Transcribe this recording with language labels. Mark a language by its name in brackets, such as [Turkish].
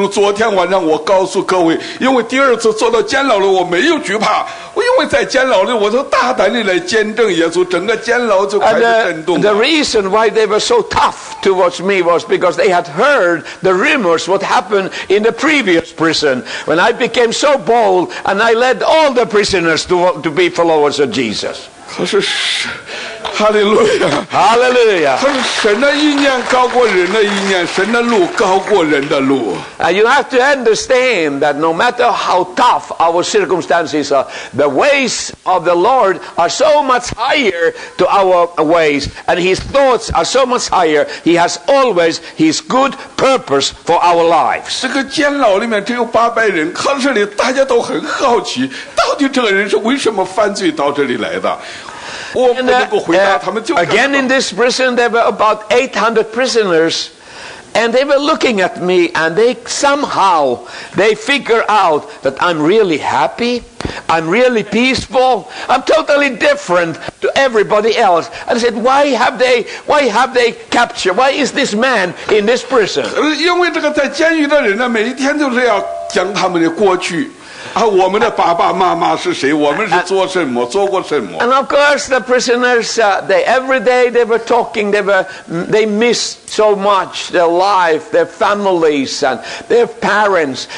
[Chinese] 他们不让讲耶稣的原因就是正如昨天晚上我告诉各位, 因为第二次坐到监牢里我没有惧怕, 因为在监牢里我都大胆地来见证耶稣, 整个监牢就开始震动了。 [English] The reason why they were so tough towards me was because they had heard the rumors what happened in the previous prison when I became so bold and I led all the prisoners to be followers of Jesus. [Chinese] 可是神的意念高过人的意念神的路高过人的路。 [English] And you have to understand that no matter how tough our circumstances are, the ways of the Lord are so much higher to our ways, and His thoughts are so much higher. He has always His good purpose for our lives. [Chinese] 这个监牢里面只有800人, 可是大家都很好奇到底这个人是为什么犯罪到这里来的。 [English] Again in this prison there were about 800 prisoners and they were looking at me and they somehow they figure out that I'm really happy, I'm really peaceful, I'm totally different to everybody else. And I said, why have they captured, why is this man in this prison? [Chinese] 因为这个在监狱的人呢每一天就是要讲他们的过去。我们的爸爸妈妈是谁？我们是做什么？做过什么？ [English] And of course, the prisoners, they every day they were talking. They missed so much their life, their families, and their parents.